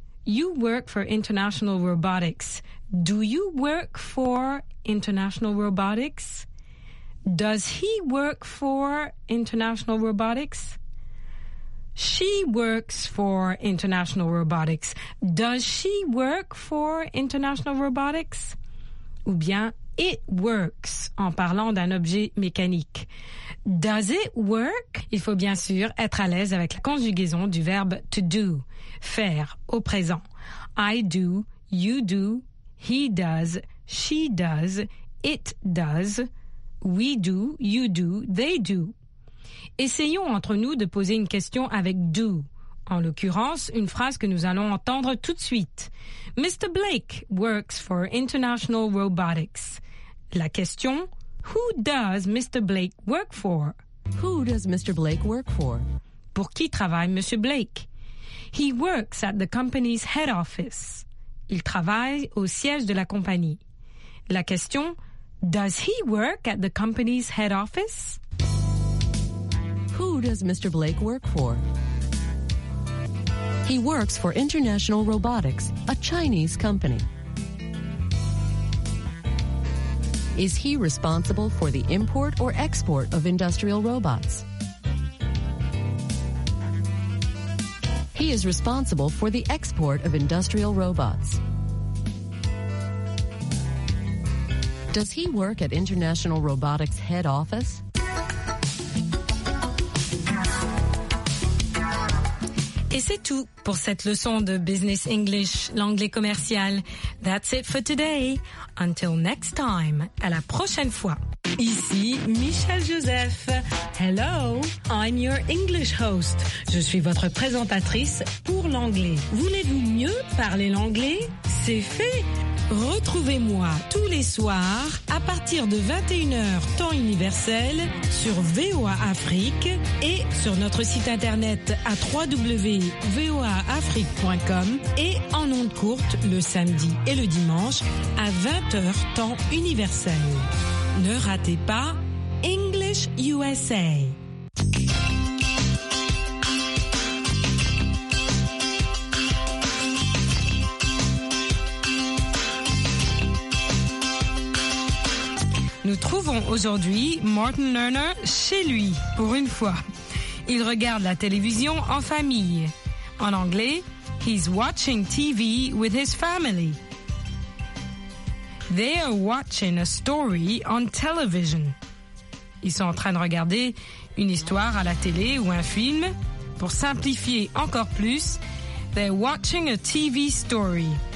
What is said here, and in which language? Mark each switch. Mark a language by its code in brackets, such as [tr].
[en] You work for International Robotics. Do you work for International Robotics? Does he work for International Robotics? She works for International Robotics. Does she work for International Robotics? [fr] Ou bien, [en] it works, [fr] en parlant d'un objet mécanique. [en] Does it work? [fr] Il faut bien sûr être à l'aise avec la conjugaison du verbe to do, faire, au présent. [en] I do, you do, he does, she does, it does, we do, you do, they do. [fr] Essayons entre nous de poser une question avec do. En l'occurrence, une phrase que nous allons entendre tout de suite. [en] Mr. Blake works for International Robotics. [fr] La question, [en] who does Mr. Blake work for? Who does Mr. Blake work for? [fr] Pour qui travaille Monsieur Blake? [en] He works at the company's head office. [fr] Il travaille au siège de la compagnie. La question, [en] does he work at the company's head office? Who does Mr. Blake work for? He works for International Robotics, a Chinese company. Is he responsible for the import or export of industrial robots? He is responsible for the export of industrial robots. Does he work at International Robotics head office? [fr] Et c'est tout pour cette leçon de Business English, l'anglais commercial. [en] That's it for today. Until next time, [fr] à la prochaine fois. Ici Michel Joseph. [en] Hello, I'm your English host. [fr] Je suis votre présentatrice pour l'anglais. Voulez-vous mieux parler l'anglais? C'est fait! Retrouvez-moi tous les soirs à partir de 21h temps universel sur VOA Afrique et sur notre site internet à www.voaafrique.com et en ondes courtes le samedi et le dimanche à 20h temps universel. Ne ratez pas English USA. Nous trouvons aujourd'hui Martin Lerner chez lui, pour une fois. Il regarde la télévision en famille. En anglais, [en] he's watching TV with his family. They are watching a story on television. [fr] Ils sont en train de regarder une histoire à la télé ou un film. Pour simplifier encore plus, [en] they're watching a TV story.